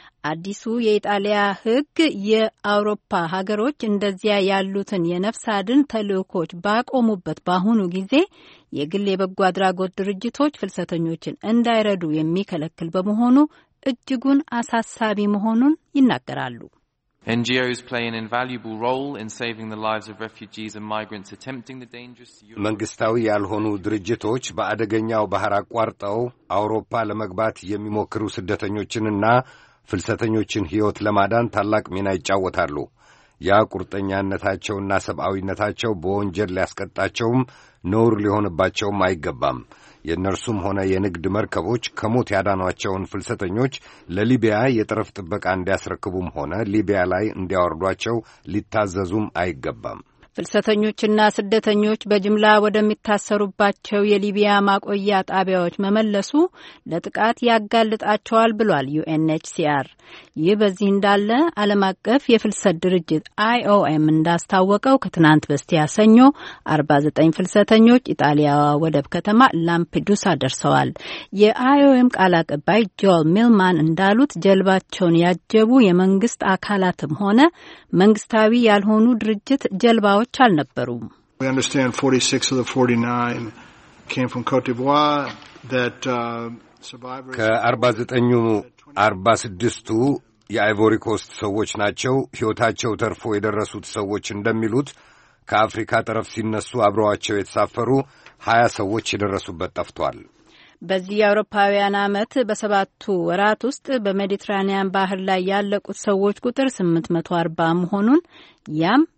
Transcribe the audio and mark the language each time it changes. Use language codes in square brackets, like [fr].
[am] አዲሱ የኢጣሊያ ህግ የአውሮፓ ሀገሮች እንደዚያ ያሉትን የነፍስ አድን ተልእኮች ባቆሙበት በአሁኑ ጊዜ የግል የበጎ አድራጎት ድርጅቶች ፍልሰተኞችን እንዳይረዱ የሚከለክል በመሆኑ እጅጉን አሳሳቢ መሆኑን ይናገራሉ። [en] NGOs play an invaluable role in saving the lives of refugees and migrants attempting the dangerous to Europe. [am] መንግስታዊ ያልሆኑ ድርጅቶች በአደገኛው ባህር አቋርጠው አውሮፓ ለመግባት የሚሞክሩ ስደተኞችንና ፍልሰተኞችን ህይወት ለማዳን ታላቅ ሚና ይጫወታሉ። ያ ቁርጠኛነታቸውና ሰብአዊነታቸው በወንጀል ሊያስቀጣቸውም ኖር ሊሆንባቸውም አይገባም። የነርሱም ሆነ የንግድ መርከቦች ከሞት ያዳኗቸውን ፍልሰተኞች ለሊቢያ የጠረፍ ጥበቃ እንዲያስረክቡም ሆነ ሊቢያ ላይ እንዲያወርዷቸው ሊታዘዙም አይገባም። ፍልሰተኞችና ስደተኞች በጅምላ ወደሚታሰሩባቸው የሊቢያ ማቆያ ጣቢያዎች መመለሱ ለጥቃት ያጋልጣቸዋል ብሏል UNHCR። ይህ በዚህ እንዳለ ዓለም አቀፍ የፍልሰት ድርጅት IOM እንዳስታወቀው ከትናንት በስቲያ ሰኞ 49 ፍልሰተኞች ኢጣሊያዋ ወደብ ከተማ ላምፒዱሳ ደርሰዋል። የIOM ቃል አቀባይ ጆል ሚልማን እንዳሉት ጀልባቸውን ያጀቡ የመንግስት አካላትም ሆነ መንግስታዊ ያልሆኑ ድርጅት ጀልባዎች አልነበሩም። [en] We understand 46 of the 49 came from Cote d'Ivoire that survivors [am] ከ49ኙ 46ቱ የአይቮሪ ኮስት ሰዎች ናቸው። ሕይወታቸው ተርፎ የደረሱት ሰዎች እንደሚሉት ከአፍሪካ ጠረፍ ሲነሱ አብረዋቸው የተሳፈሩ 20 ሰዎች የደረሱበት ጠፍቷል። በዚህ የአውሮፓውያን ዓመት በሰባቱ ወራት ውስጥ በሜዲትራኒያን ባህር ላይ ያለቁት ሰዎች ቁጥር 840 መሆኑን ያም